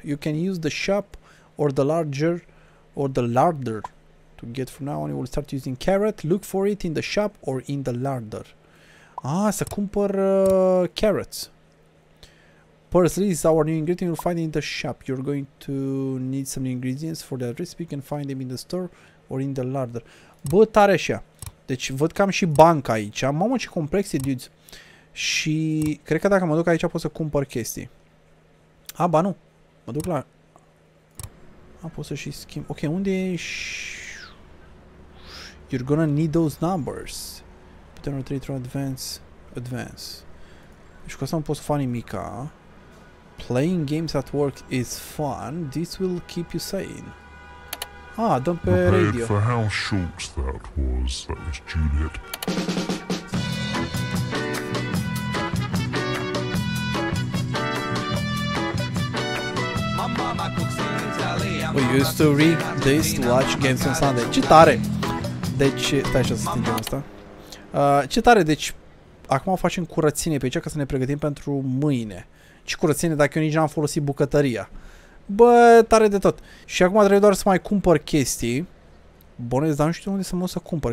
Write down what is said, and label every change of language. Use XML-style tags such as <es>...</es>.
<en>You can use the shop or the larger or the larder to get from now on. You will start using carrot. Look for it in the shop or in the larder.</en> <ro>Să cumpăr</ro> <en>carrots. Parsley is our new ingredient you'll find in the shop. You're going to need some ingredients for that recipe. You can find them in the store or in the larder.</en> <ro>Bă, tare așa. Deci văd că am și banca aici. Mamă, ce complex e, dudes. Și cred că dacă mă duc aici pot să cumpăr chestii. Ba nu. Mă duc la... pot să și schimb. Ok, unde ești?</ro> <en>You're gonna need those numbers.</en> <ro>Putem</ro> <en>rotate through advance. Advance.</en> <ro>Deci cu asta nu pot să fac nimica.</ro> <en>Playing games at work is fun. This will keep you sane.</en> <ro>Dăm pe radio.</ro> <en>For how short that was. That was Juliet. We used to read this to watch games on Sunday.</en> <ro>Ce tare! Deci, stai așa să stingem asta. Ce tare, deci, acum facem curățenie pe aici ca să ne pregătim pentru mâine. Ce curățenie, dacă eu nici n-am folosit bucătăria. Bă, tare de tot. Și acum trebuie doar să mai cumpăr chestii. Bonez, dar nu știu unde să mă duc să cumpăr.</ro>